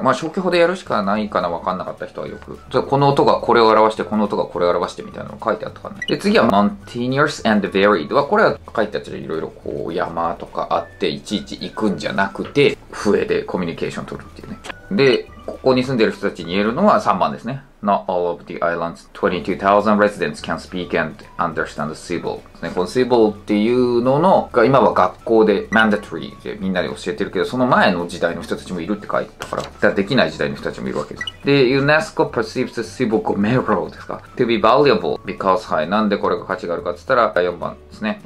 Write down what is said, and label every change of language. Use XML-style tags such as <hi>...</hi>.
<ja>まあ、消去法でやるしかないかな、わかんなかった人はよく。この音がこれを表して、この音がこれを表してみたいなの書いてあったかな。で、次は、</ja> <en>mountainous and varied。</en> <ja>は、これは書いてあったじゃん。いろいろこう、山とかあって、いちいち行くんじゃなくて、笛でコミュニケーション取るっていうね。で、ここに住んでる人たちに言えるのは3番ですね。</ja> <en>Not all of the island's 22,000 residents can speak and understand Sybil.</en> <ja>この Sybil っていうのの、が今は学校で mandatory でみんなで教えてるけど、その前の時代の人たちもいるって書いてたから、だからできない時代の人たちもいるわけです。で、</ja> <en>UNESCO perceives Sybil Gomero</en> <ja>ですか ?</ja> <en>to be valuable because,</en> <ja>はい、なんでこれが価値があるかって言ったら、4番ですね。</ja>